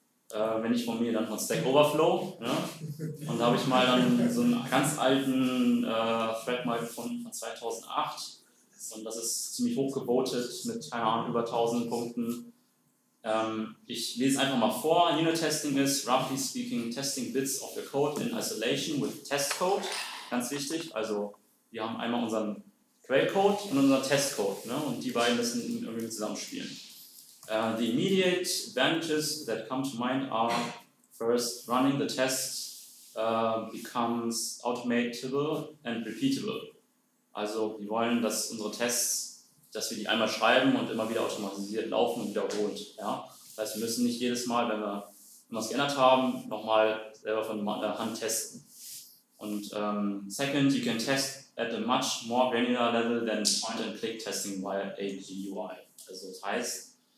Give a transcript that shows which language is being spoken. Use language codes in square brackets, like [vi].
[de] Wenn nicht von mir, dann von Stack Overflow. Ne? Und da habe ich mal dann so einen ganz alten Thread mal gefunden von 2008. Und das ist ziemlich hoch gebotet mit, keine Ahnung, über 1000 Punkten. Ich lese einfach mal vor. Unit-Testing ist, [en] roughly speaking, testing bits of your code in isolation with test code. [de] Ganz wichtig. Also wir haben einmal unseren Quellcode und unseren Testcode. Ne? Und die beiden müssen irgendwie zusammenspielen. [en] The immediate advantages that come to mind are first, running the test becomes automatable and repeatable. [de] Also wir wollen, dass unsere Tests, dass wir die einmal schreiben und immer wieder automatisiert laufen und wiederholt. Ja? Das heißt, wir müssen nicht jedes Mal, wenn wir irgendwas geändert haben, nochmal selber von der Hand testen. [en] Und second, you can test at a much more granular level than point-and-click testing via AGUI. [de] Also das heißt,